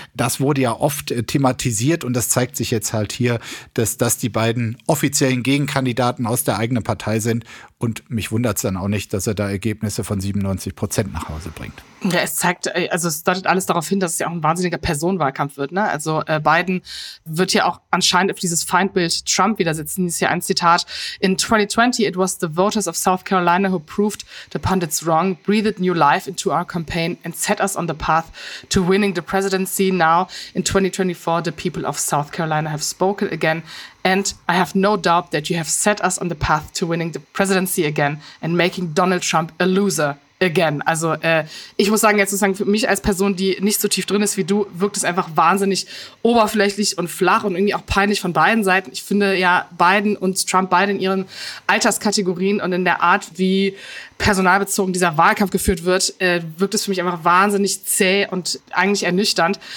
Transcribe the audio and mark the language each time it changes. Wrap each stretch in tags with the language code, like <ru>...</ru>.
<de>Das wurde ja oft thematisiert, und das zeigt sich jetzt halt hier, dass das die beiden offiziellen Gegenkandidaten aus der eigenen Partei sind. Und mich wundert es dann auch nicht, dass er da Ergebnisse von 97% nach Hause bringt. Ja, es zeigt, also es deutet alles darauf hin, dass es ja auch ein wahnsinniger Personenwahlkampf wird, ne? Also Biden wird ja auch anscheinend auf dieses Feindbild Trump widersetzen. Das ist ja ein Zitat.</de> <en>In 2020, it was the voters of South Carolina who proved the pundits wrong, breathed new life into our campaign and set us on the path to winning the presidency. Now, in 2024, the people of South Carolina have spoken again. And I have no doubt that you have set us on the path to winning the presidency again and making Donald Trump a loser again.</en> <de>Also ich muss sagen, jetzt sozusagen für mich als Person, die nicht so tief drin ist wie du, wirkt es einfach wahnsinnig oberflächlich und flach und irgendwie auch peinlich von beiden Seiten. Ich finde ja Biden und Trump beide in ihren Alterskategorien und in der Art, wie personalbezogen dieser Wahlkampf geführt wird, wirkt es für mich einfach wahnsinnig zäh und eigentlich ernüchternd.</de>